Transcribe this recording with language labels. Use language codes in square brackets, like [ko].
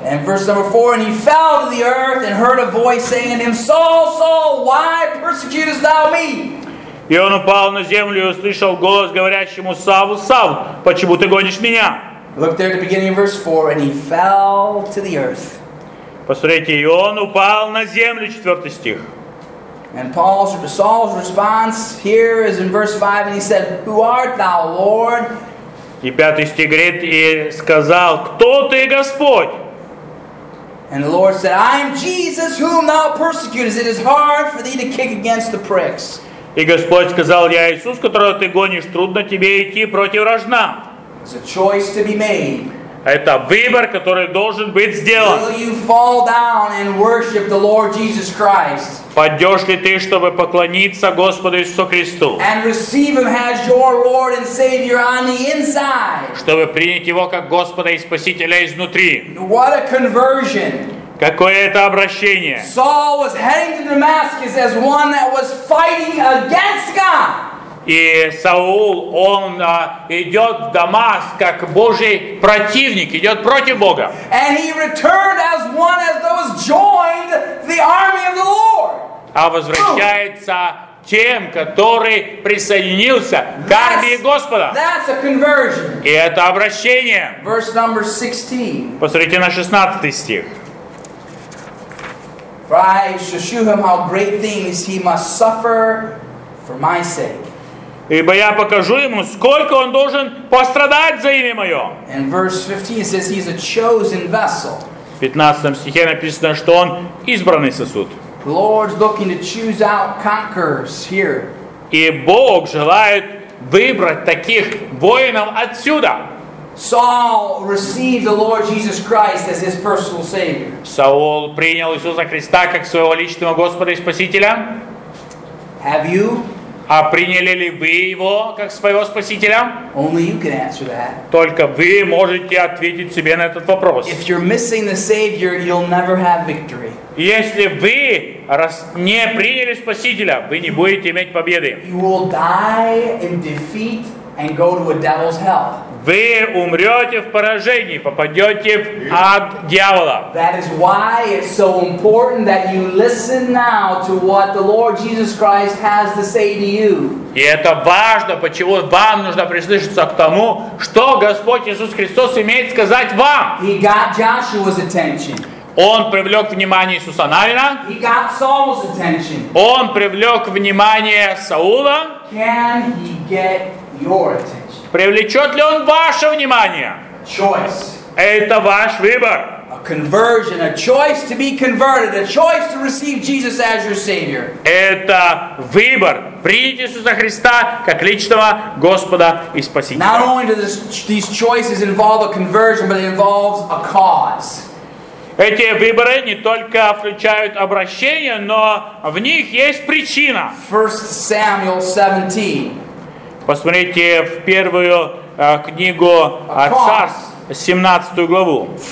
[en] And verse number 4, and he fell to the earth and heard a voice saying to him, Saul, Saul, why persecutest thou me? [ru] И он упал на землю и услышал голос, говорящий ему, Савл, Савл, почему ты гонишь меня? [en] Look there at the beginning of verse 4, and he fell to the earth. [ru] Посмотрите, и он упал на землю, 4 стих. [en] And Saul's response here is in verse 5, and he said, Who art thou, Lord? [ru] И пятый стих говорит, и сказал, кто ты, Господь? [en] And the Lord said, I am Jesus, whom thou persecutest. It is hard for thee to kick against the pricks. [ru] И Господь сказал, я Иисус, которого ты гонишь, трудно тебе идти против рожна. [en] It's a choice to be made. [ru] Это выбор, который должен быть сделан. [en] Will you fall down and worship the Lord Jesus Christ? [ru] Пойдешь ли ты, чтобы поклониться Господу Иисусу Христу? [en] And receive him as your Lord and Savior on the inside. [ru] Чтобы принять его как Господа и Спасителя изнутри. [en] What a conversion! [ru] Какое это обращение? [en] Saul was heading to Damascus as one that was fighting against God. [ru] И Саул, он идет в Дамаск как Божий противник, идет против Бога. [en] And he returned as one as those joined the army of the Lord. [ru] А возвращается тем, который присоединился к армии Господа. [en] That's a conversion. [ru] И это обращение. [en] Verse number 16. [ru] Посмотрите на 16 стих. [en] For I shall show him how great things he must suffer for my sake. [ru] Ибо я покажу ему, сколько он должен пострадать за имя мое. [en] And verse 15 says he's a chosen vessel. [ru] В 15 стихе написано, что он избранный сосуд. [en] The Lord's looking to choose out conquerors here. [ru] И Бог желает выбрать таких воинов отсюда. [en] Saul received the Lord Jesus Christ as his personal savior. [ru] Саул принял Иисуса Христа как своего личного Господа и Спасителя. [en] Have you? [ru] А приняли ли вы его как своего спасителя? [en] Only you can answer that. [ru] Только вы можете ответить себе на этот вопрос. [en] If you're missing the Savior, you'll never have victory. [ru] Если вы не приняли спасителя, вы не будете иметь победы. [en] You will die in defeat and go to a devil's hell. [ru] Вы умрете в поражении, попадете в ад дьявола. [en] That is why it's so important that you listen now to what the Lord Jesus Christ has to say to you. [ru] И это важно, почему вам нужно прислушаться к тому, что Господь Иисус Христос имеет сказать вам. [en] He got Joshua's attention. [ru] Он привлек внимание Иисуса Навина. [en] He got Saul's attention. [ru] Он привлек внимание Саула. [en] Can he get your attention? [ru] Привлечет ли он ваше внимание? [en] Choice. [ru] Это ваш выбор. [en] A conversion, a choice to be converted, a choice to receive Jesus as your Savior. [ru] Это выбор принять Иисуса Христа как личного Господа и Спасителя. [en] Not only do these choices involve a conversion, but it involves a cause. [ru] Эти выборы не только включают обращение, но в них есть причина. [en] 1 Samuel 17. [ru] Посмотрите в первую книгу Царств, 17 главу.